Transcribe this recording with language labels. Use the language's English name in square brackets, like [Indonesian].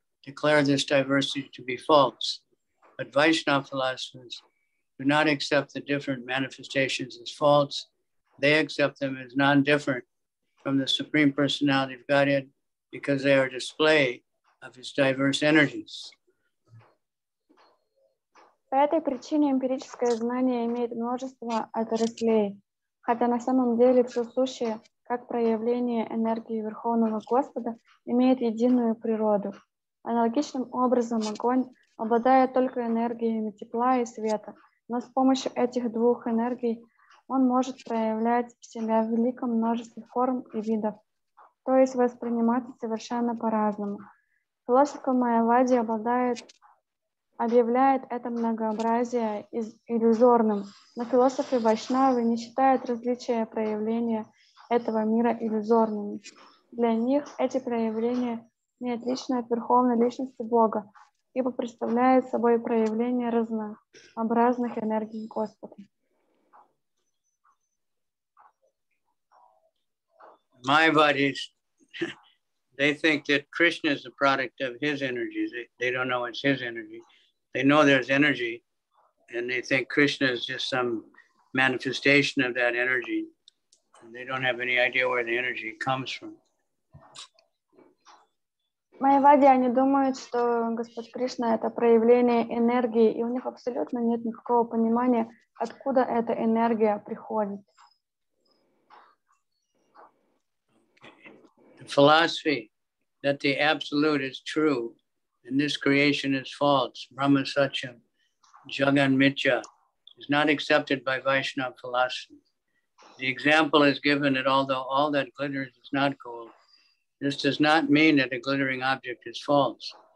[English] declare this diversity to be false, but Vaishnava philosophers do not accept the different manifestations as false. They accept them as non-different from the Supreme Personality of Godhead because they are a display of his diverse energies. [Russian] По этой причине эмпирическое знание имеет множество отраслей, хотя на самом деле все сущее, как проявление энергии Верховного Господа, имеет единую природу. Аналогичным образом огонь обладает только энергиями тепла и света, но с помощью этих двух энергий он может проявлять себя в великом множестве форм и видов, то есть восприниматься совершенно по-разному. Философия Майявади объявляет это многообразие иллюзорным, но философы Вайшнавы не считают различия проявления этого мира иллюзорными. Для них эти проявления не отличны от Верховной Личности Бога, ибо представляют собой проявление разнообразных энергий Господа. [English] Майявадис, they think that Krishna is a product of his energies. They don't know it's his energy. They know there's energy, and they think Krishna is just some manifestation of that energy. And they don't have any idea where the energy comes from. [Russian] Майявади, они думают, что Господь Кришна — это проявление энергии, и у них абсолютно нет никакого понимания, откуда эта энергия приходит. [English] The philosophy that the absolute is true and this creation is false, [Sanskrit] Brahma Satyam, Jagan Mitya, [English] is not accepted by Vaishnava philosophy. The example is given that although all that glitters is not gold, this does not mean that a glittering object is false.